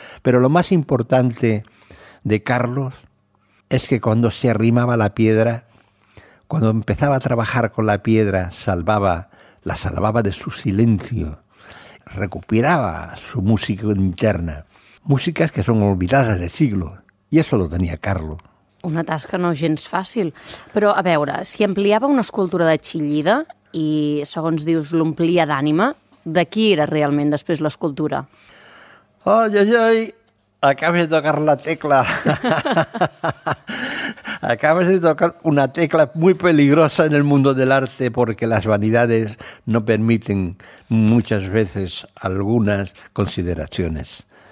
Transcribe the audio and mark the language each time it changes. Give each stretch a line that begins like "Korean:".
Spanish: Pero lo más importante de Carlos es que cuando se arrimaba la piedra, cuando empezaba a trabajar con la piedra, la salvaba de su silencio, recuperaba su música interna, músicas que son olvidadas de siglos.
Catalan: I això lo tenia Carlo. Una tasca no gens fàcil. Però, a veure, si ampliava una escultura de Chillida i, segons dius, l'omplia d'ànima, de qui era realment després l'escultura? Ai, acabes de tocar la tecla. Acabes
Spanish: de tocar una tecla muy peligrosa en el mundo del arte porque las vanidades no permiten muchas veces algunas consideraciones.